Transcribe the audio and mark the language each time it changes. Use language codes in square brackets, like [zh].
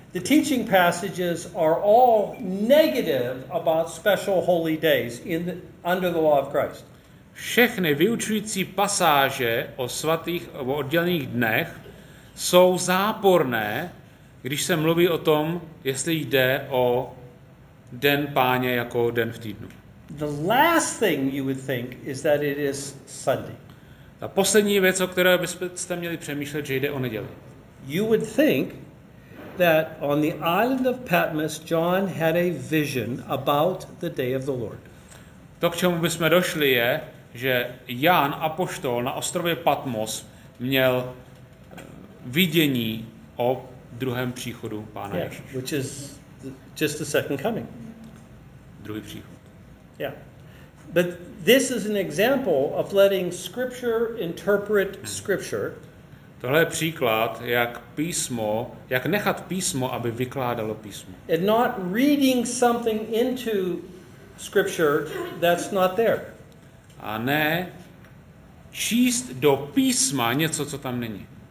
[en] The teaching passages are all negative about special holy days under the law of Christ. [cs] Všechny vyučující pasáže o svatých nebo oddělených dnech jsou záporné, když se mluví o tom, jestli jde o den Páně jako den v týdnu. [en] The last thing you would think is that it is Sunday. [cs] Ta poslední věc, o které byste měli přemýšlet, že jde o neděli. [en] You would think that on the island of Patmos John had a vision about the day of the Lord. [cs] To, k čemu bychom došli, je, že Jan apoštol na ostrově Patmos měl vidění o druhém příchodu Pána Ježíše. [en] Yeah, which is just the second coming. [cs] Druhý příchod. [en] Yeah. But this is an example of letting scripture interpret scripture. [cs] Tohle je příklad, jak nechat písmo, aby vykládalo písmo. [en] And not reading something into scripture that's not there. [cs] A ne číst do písma něco, co tam není.